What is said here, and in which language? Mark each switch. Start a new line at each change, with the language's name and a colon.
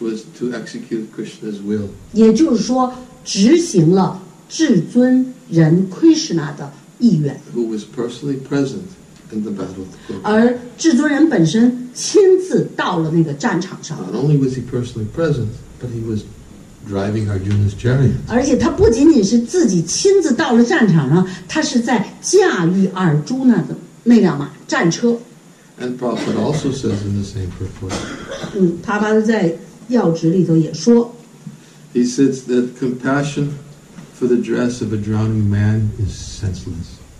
English: was to execute Krishna's will.
Chinese: 也就是说，执行了至尊人 Krishna 的意愿。
English: Who was personally present. In the battle,
Chinese: 而至尊人本身亲自到了那个战场上。
English: Not only was he personally present, but he was driving Arjuna's chariot.
Chinese: 而且他不仅仅是自己亲自到了战场上，他是在驾驭阿尔朱纳的那辆马战车。
English: And Prabhupada also says in the same purport.
Chinese: 帕帕德在要旨里头也说。
English: He says that compassion for the dress of a drowning man is senseless.